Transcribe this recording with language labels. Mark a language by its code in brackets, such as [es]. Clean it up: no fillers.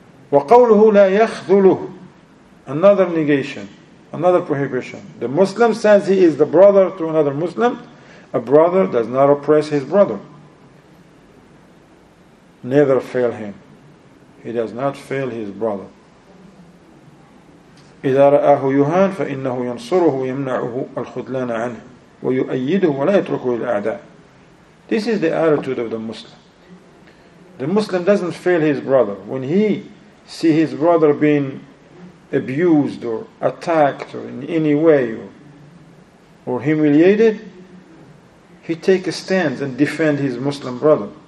[ar] وَقَوْلُهُ لَا يَخْذُلُهُ. [en] Another negation, another prohibition. The Muslim says he is the brother to another Muslim. A brother does not oppress his brother. Neither fail him. He does not fail his brother. [ar] إذا رآه يهان فإنه ينصره ويمنعه الخذلان عنه ويؤيده ولا يتركه للأعداء. [en] This is the attitude of the Muslim. The Muslim doesn't fail his brother. When he see his brother being abused or attacked or in any way or humiliated, he take a stand and defend his Muslim brother.